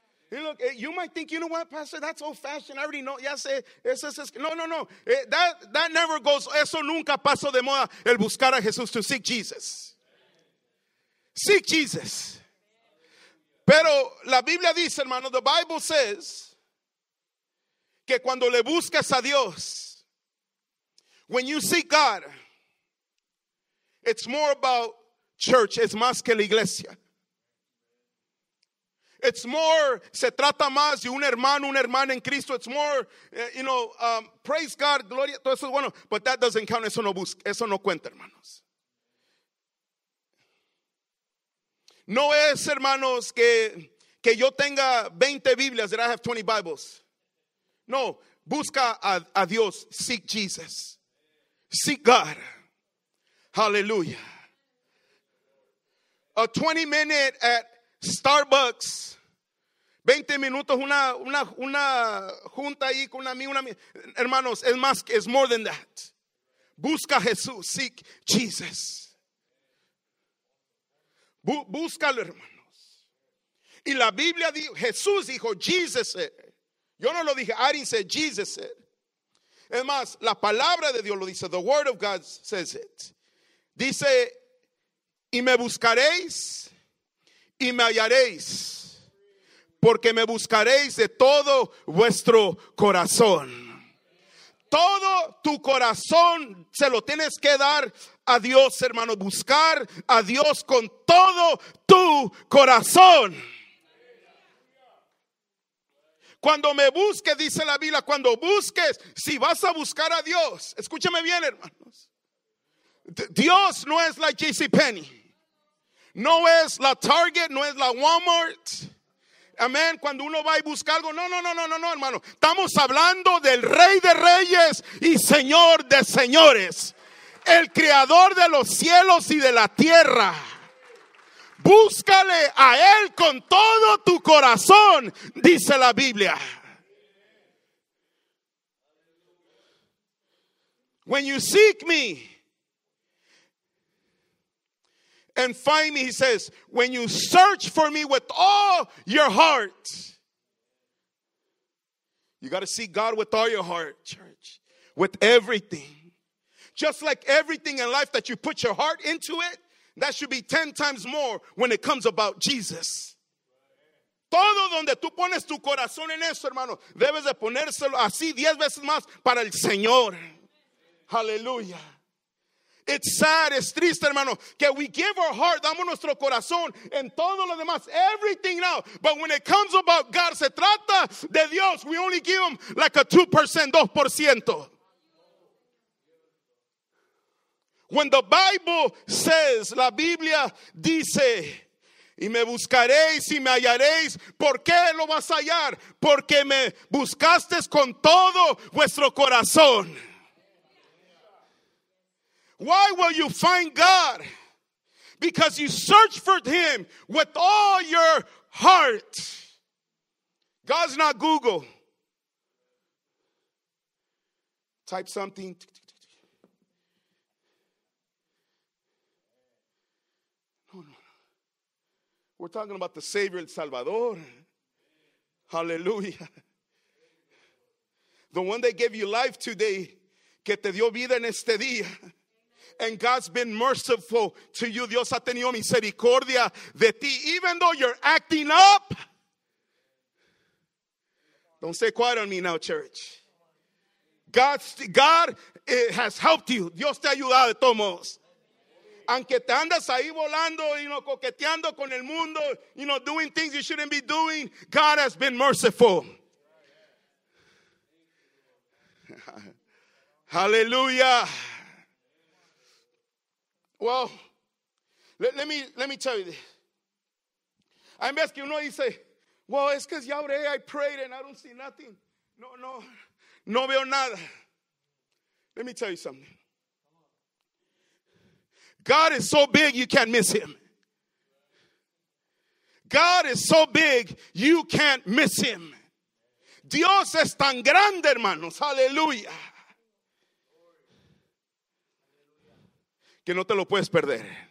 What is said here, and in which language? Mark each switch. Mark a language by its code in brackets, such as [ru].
[en] Hey, look, you might think, you know what, Pastor, that's old fashioned. I already know. [es] Ya sé, eso es. No. [en] That never goes. [es] Eso nunca pasó de moda, el buscar a Jesús, [en] to seek Jesus. Seek Jesus. [es] Pero la Biblia dice, hermano, [en] the Bible says, [es] que cuando le buscas a Dios, [en] when you seek God, it's more about church, [es] es más que la iglesia. [en] It's more, [es] se trata más de un hermano, un hermano en Cristo. [en] It's more, you know, praise God, [es] gloria, todo eso es bueno. [en] But that doesn't count, [es] eso no cuenta, hermanos. No es, hermanos, que yo tenga 20 Biblias, [en] that I have 20 Bibles. [es] No, busca a Dios, [en] seek Jesus. Seek God. Hallelujah. A 20 minute at Starbucks. [es] 20 minutos, una junta ahí con una amiga. Hermanos, es [en] more than that. [es] Busca a Jesús. [en] Seek Jesus. [es] Búscalo, hermanos. Y la Biblia dijo, Jesús dijo, [en] Jesus said. [es] Yo no lo dije, [en] I didn't say, Jesus said. [es] Es más, la palabra de Dios lo dice, [en] the word of God says it. [es] Dice, y me buscaréis y me hallaréis. Porque me buscaréis de todo vuestro corazón. Todo tu corazón se lo tienes que dar a Dios, hermano. Buscar a Dios con todo tu corazón. Cuando me busques, dice la Biblia, cuando busques, si vas a buscar a Dios. Escúchame bien, hermanos. Dios no es la JCPenney. No es la Target, no es la Walmart. Amén. Cuando uno va y busca algo, no, hermano. Estamos hablando del Rey de Reyes y Señor de Señores, el Creador de los cielos y de la tierra. Búscale a Él con todo tu corazón, dice la Biblia. [en] When you seek me and find me, he says, when you search for me with all your heart. You got to seek God with all your heart, church. With everything. Just like everything in life that you put your heart into it, that should be 10 times more when it comes about Jesus. [es] Todo donde tú pones tu corazón en eso, hermano, debes de ponérselo así 10 veces más para el Señor. Hallelujah. [en] It's sad, [es] es triste, hermano, que [en] we give our heart, [es] damos nuestro corazón en todo lo demás, [en] everything now. But when it comes about God, [es] se trata de Dios, [en] we only give him like a 2%, 2%. When the Bible says, [es] la Biblia dice, y me buscaréis y me hallaréis. ¿Por qué lo vas a hallar? Porque me buscaste con todo vuestro corazón. [en] Why will you find God? Because you search for him with all your heart. God's not Google. Type something. No. We're talking about the Savior, El Salvador. Hallelujah. The one that gave you life today, [es] que te dio vida en este día. [en] And God's been merciful to you. [es] Dios ha tenido misericordia de ti. [en] Even though you're acting up. Don't stay quiet on me now, church. God has helped you. [es] Dios te ha ayudado de todos modos. Aunque te andas ahí volando y no coqueteando con el mundo, [en] you know, doing things you shouldn't be doing, God has been merciful. Hallelujah. Well, let me tell you this. [es] Hay veces que uno dice, [en] well, [es] es que ya oré, [en] I prayed and I don't see nothing. [es] No veo nada. [en] Let me tell you something. God is so big, you can't miss him. God is so big, you can't miss him. [es] Dios es tan grande, hermanos. Aleluya. Que no te lo puedes perder.